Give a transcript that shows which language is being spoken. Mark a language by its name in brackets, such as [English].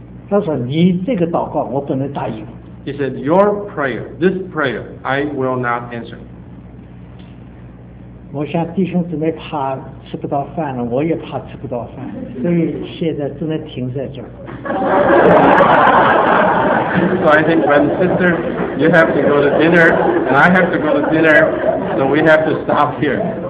[Chinese] 他说你这个祷告我不能答应。 [English] He said, "Your prayer, this prayer, I will not answer." [Chinese] 我想弟兄姊妹怕吃不到饭了，我也怕吃不到饭，所以现在只能停在这儿。 [English] So I think, brother, sister, you have to go to dinner, and I have to go to dinner, so we have to stop here.